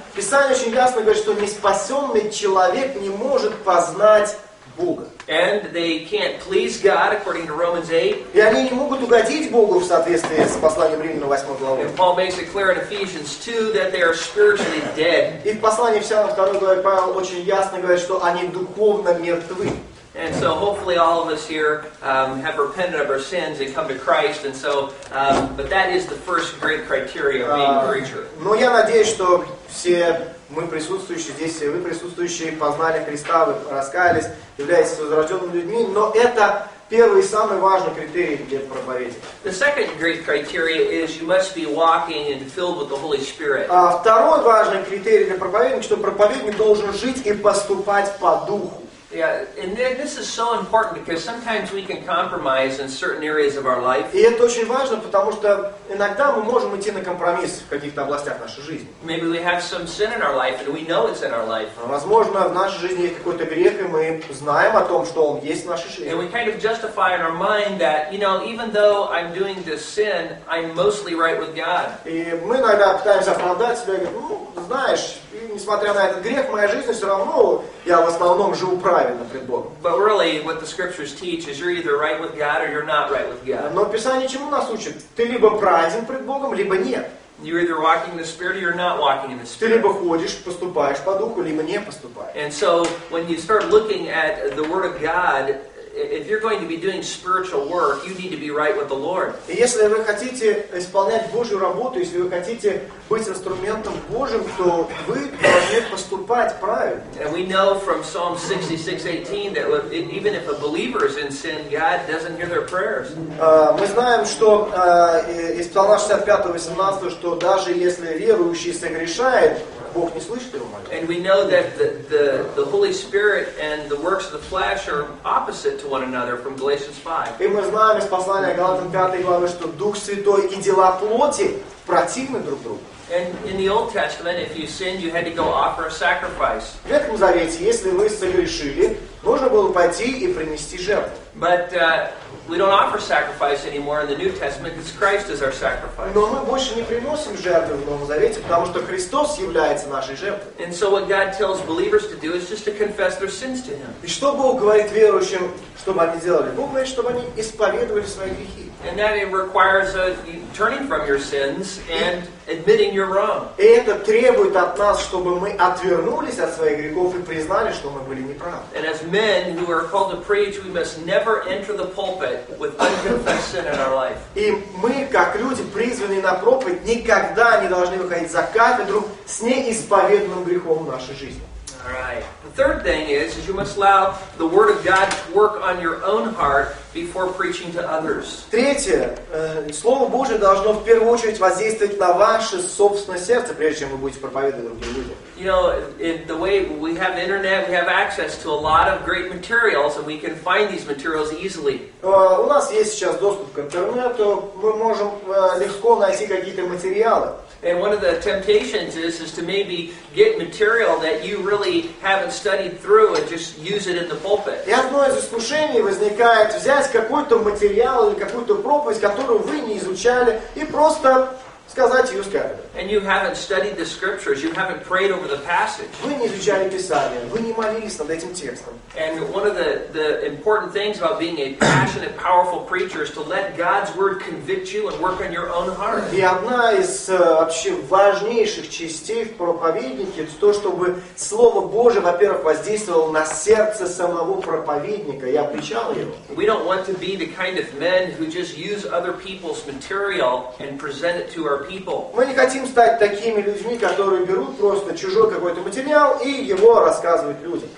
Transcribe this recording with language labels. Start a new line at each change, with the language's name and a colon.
Russian: Писание очень ясно говорит, что неспасенный человек не может познать Бога.
English: And they can't please God according to Romans 8.
Russian: И они не могут угодить Богу в соответствии с посланием Римлянам 8 главе.
English: And Paul makes it clear in Ephesians 2 that they are spiritually dead.
Russian: И в послании Ефесянам 2 главе Павел очень ясно говорит, что они духовно мертвы.
English: And so hopefully all of us here have repented of our sins and come to Christ. And so, but that is the first great criteria of being a preacher.
Russian: Но я надеюсь, что все мы присутствующие здесь, все вы присутствующие, познали Христа, вы раскаялись, являетесь возрожденными людьми. Но это первый и самый важный критерий для проповедия.
English: The second great criteria is you must be walking and filled with the Holy Spirit.
Russian: Второй важный критерий для проповедника, что проповедник должен жить и поступать по духу.
English: Yeah, and this is so important because sometimes we can compromise in certain areas of our life.
Russian: И это очень важно, потому что иногда мы можем идти на компромисс в каких-то областях нашей жизни.
English: Maybe we have some sin in our life and we know it's in our life.
Russian: Возможно, в нашей жизни есть какой-то грех, и мы знаем о том, что он есть в нашей жизни.
English: And we kind of justify in our mind that, you know, even though I'm doing this sin, I'm mostly right with God.
Russian: И мы иногда пытаемся оправдать себя, говорим, ну, знаешь, несмотря на этот грех, моя жизнь все равно, я в основном живу правильно пред Богом.
English: But really, what the scriptures teach is you're either right with God or you're not right with God.
Russian: Но Писание чему нас учит? Ты либо праведен пред Богом, либо нет.
English: You're either walking in the Spirit or you're not walking in the Spirit.
Russian: Ты либо ходишь, поступаешь по Духу, либо не поступаешь.
English: And so, when you start looking at the Word of God, if you're going to be doing spiritual work, you need to be right with the Lord.
Russian: И если вы хотите исполнять Божью работу, если вы хотите быть инструментом Божьим, то вы должны поступать правильно.
English: And we know from Psalm 66:18 that even if a believer is in sin, God doesn't hear their prayers.
Russian: Мы знаем, что из Псалма 65:18, что даже если верующий согрешает, Бог не слышит его молитву.
English: And we know that the Holy Spirit and the works of the flesh are opposite to one another from Galatians 5.
Russian: И мы знаем из послания Галатам 5 главы, что Дух Святой и дела плоти противны друг другу.
English: And in the Old Testament, if you sinned, you had to go offer a sacrifice.
Russian: В Ветхом Завете, если вы согрешили, нужно было пойти и принести жертву.
English: But we don't offer sacrifice anymore in the New Testament, because Christ is our sacrifice.
Russian: Но мы больше не приносим жертвы в Новом Завете, потому что Христос является нашей жертвой.
English: And so what God tells believers to do is just to confess their sins to Him.
Russian: И что Бог говорит верующим, чтобы они делали? Бог говорит, чтобы они исповедовали свои грехи.
English: And that it requires turning from your sins and admitting you're wrong.
Russian: И это требует от нас, чтобы мы отвернулись от своих грехов и признали, что мы были неправы.
English: And as men who are called to preach, we must never enter the pulpit with unconfessed sin in our life.
Russian: И мы, как люди, призванные на проповедь, никогда не должны выходить за кафедру с неисповеданным грехом в нашей жизни.
English: Alright. The third thing is you must allow the Word of God to work on your own heart before preaching to others.
Russian: Третье. Слово Божие должно в первую очередь воздействовать на ваше собственное сердце, прежде чем вы будете проповедовать другим людям.
English: You know, the way we have the internet, we have access to a lot of great materials, and we can find these materials easily.
Russian: У нас есть сейчас доступ к интернету, мы можем легко найти какие-то материалы.
English: And one of the temptations is to maybe get material that you really haven't studied through and just use it in the pulpit.
Russian: И одно из искушений возникает взять какой-то материал или какую-то проповедь, которую вы не изучали, и просто сказать ее с кафедры.
English: And you haven't studied the scriptures, you haven't prayed over the passage.
Russian: Вы не изучали Писание, вы не молились над этим текстом.
English: And one of the important things about being a passionate, powerful preacher is to let God's word convict you and work on your own heart.
Russian: И одна из вообще важнейших частей в проповеднике это то, чтобы Слово Божие, во-первых, воздействовало на сердце самого проповедника и обличало его.
English: We don't want to be the kind of men who just use other people's material and present it to our people.
Russian: Мы не хотим стать такими людьми, которые берут просто чужой какой-то материал и его рассказывают людям.